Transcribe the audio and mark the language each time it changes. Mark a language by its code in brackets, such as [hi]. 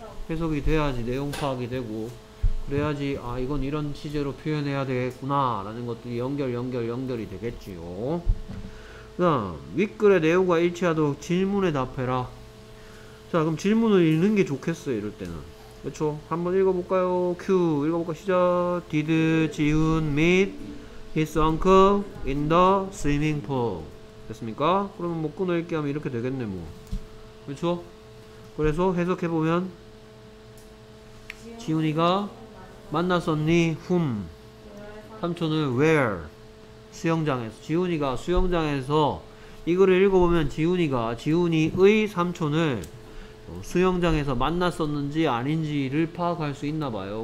[ko] 해석이 돼야지 내용 파악이 되고 그래야지 아 이건 이런 시제로 표현해야 되겠구나 라는 것들이 연결이 되겠지요. 그 다음 윗글의 내용과 일치하도록 질문에 답해라. 자 그럼 질문을 읽는 게 좋겠어요 이럴 때는. 그렇죠? 한번 읽어볼까요? Q 읽어볼까 시작. [en] Did 지훈 meet his uncle in the swimming pool? [ko] 됐습니까? 그러면 뭐 끊어읽기 하면 이렇게 되겠네 뭐. 그렇죠? 그래서 해석해보면 지훈이가 만났었니? whom? 삼촌을 where? 수영장에서. 지훈이가 수영장에서 이거를 읽어보면 지훈이가 지훈이의 삼촌을 수영장에서 만났었는지 아닌지를 파악할 수 있나봐요.